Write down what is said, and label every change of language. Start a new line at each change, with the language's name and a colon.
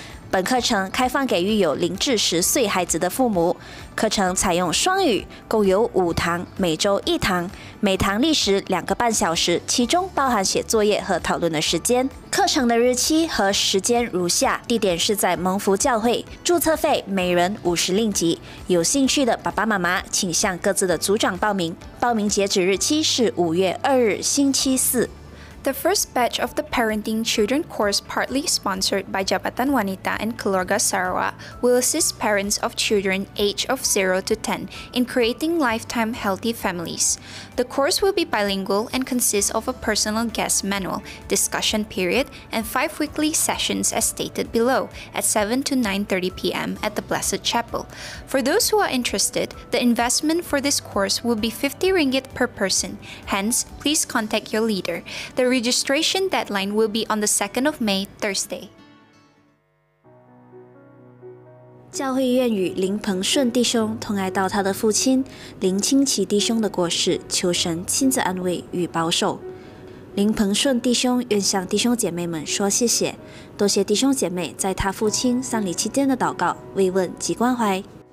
Chinese: 本课程开放给育有零至十岁孩子的父母，课程采用双语，共有五堂，每周一堂，每堂历时两个半小时，其中包含写作业和讨论的时间。课程的日期和时间如下，地点是在蒙福教会，注册费每人50令吉。有兴趣的爸爸妈妈请向各自的组长报名，报名截止日期是5月2日星期四。
English: The first batch of the Parenting Children course, partly sponsored by Jabatan Wanita and Keluarga Sarawak, will assist parents of children age of 0 to 10 in creating lifetime healthy families. The course will be bilingual and consists of a personal guest manual, discussion period, and 5 weekly sessions as stated below at 7 to 9:30 p.m. at the Blessed Chapel. For those who are interested, the investment for this course will be 50 ringgit per person. Hence, please contact your leader. The registration deadline will be on the 2nd of May, Thursday.
Chinese: 教会愿与林鹏顺弟兄同爱到他的父亲林清奇弟兄的过世，求神亲自安慰与保守。林鹏顺弟兄愿向弟兄姐妹们说谢谢，多谢弟兄姐妹在他父亲丧礼期间的祷告、慰问及关怀。